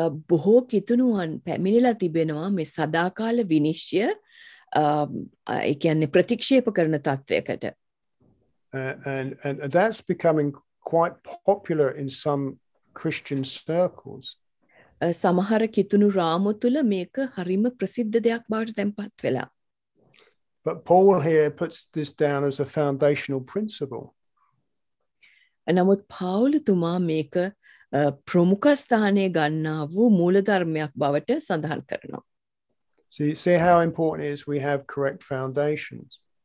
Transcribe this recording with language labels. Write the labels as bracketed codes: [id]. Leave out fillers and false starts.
[si] බොහෝ කිතුණුවන් පැමිණලා තිබෙනවා මේ සදාකාල විනිශ්චය ඒ කියන්නේ ප්‍රතික්ෂේප කරන තත්වයකට. [en] And that's becoming quite popular in some Christian circles. [si] සමහර කිතුණු රාමු තුල මේක හරිම ප්‍රසිද්ධ දෙයක් බවට තැන්පත් වෙලා. [en] But Paul here puts this down as a foundational principle. [si] නමුත් පාවුලතුමා මේක ප්‍රමුඛ ස්ථානයේ ගන්නා වූ මූලධර්මයක් බවට සඳහන් කරනවා. [en] So you see how important it is we have correct foundations.